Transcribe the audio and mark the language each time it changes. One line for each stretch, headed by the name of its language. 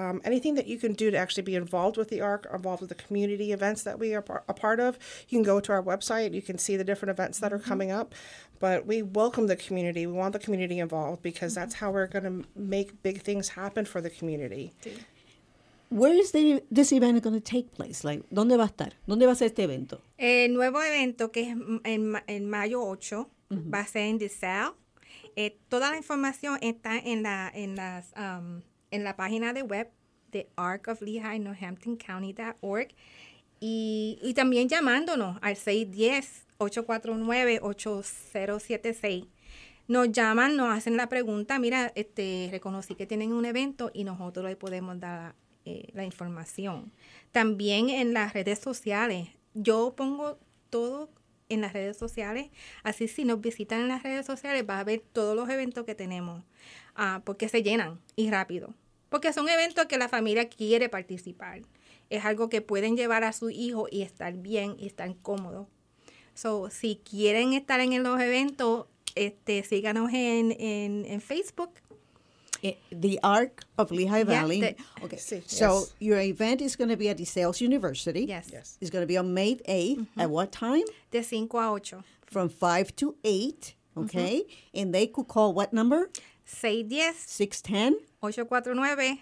English: Anything that you can do to actually be involved with the ARC, involved with the community events that we are a part of, you can go to our website. You can see the different events that are coming up. But we welcome the community. We want the community involved because that's how we're going to make big things happen for the community. Where is this event going to take place?
Spanish: Like, ¿dónde va a estar? ¿Dónde va a ser este evento? El nuevo evento, que es en mayo 8, mm-hmm, va a ser en DeSalle. Toda la información está en la página de web, the Arc of Lehigh, NewhamptonCounty.org. Y también llamándonos al 610-849-8076. Nos llaman, nos hacen la pregunta, mira, reconocí que tienen un evento y nosotros le podemos dar la información. También en las redes sociales. Yo pongo todo en las redes sociales. Así, si nos visitan en las redes sociales, va a ver todos los eventos que tenemos. Porque se llenan y rápido. Porque son eventos que la familia quiere participar. Es algo que pueden llevar a su hijo y estar bien y estar cómodo. So, si quieren estar en los eventos, síganos en Facebook.
English: The Arc of Lehigh Valley. Yeah, okay. Sí, so yes, your event is going to be at DeSales University. Yes. Yes. It's going to be on May 8th. Mm-hmm. At what time?
Spanish: De 5 a 8.
English: From 5 to 8. Okay. Mm-hmm. And they could call what number? 610. 610. 849.